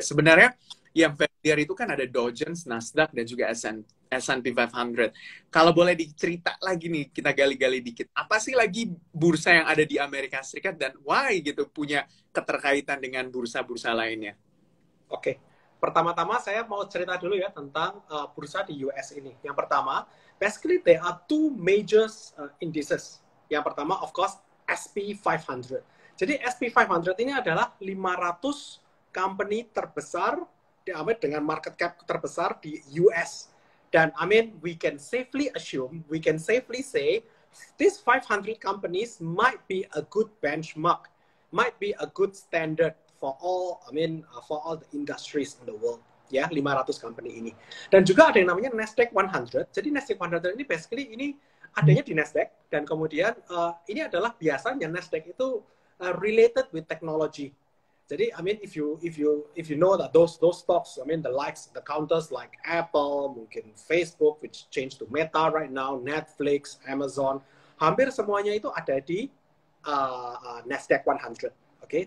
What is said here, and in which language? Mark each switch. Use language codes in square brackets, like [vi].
[id] Sebenarnya yang familiar itu kan ada Dow Jones, Nasdaq, dan juga S&P 500. Kalau boleh dicerita lagi nih, kita gali-gali dikit. Apa sih lagi bursa yang ada di Amerika Serikat dan why gitu punya keterkaitan dengan bursa-bursa lainnya? Oke. Pertama-tama saya mau cerita dulu ya tentang bursa di US ini. Yang pertama, [en] basically there are two major indices. [id] Yang pertama, [en] of course, [id] S&P 500. Jadi S&P 500 ini adalah 500 company terbesar dengan market cap terbesar di US. Dan [en] I mean, we can safely say, this 500 companies might be a good benchmark, might be a good standard for all the industries in the world. [id] ya, 500 company ini. Dan juga ada yang namanya Nasdaq 100. Jadi Nasdaq 100 ini basically ini adanya di Nasdaq, dan kemudian ini adalah biasanya Nasdaq itu [en] related with technology. Jadi I mean if you know that those stocks, I mean the likes, the counters like Apple, [id] mungkin [en] Facebook which change to Meta right now, Netflix, Amazon, [id] hampir semuanya itu ada di Nasdaq 100. [en] Oke, okay?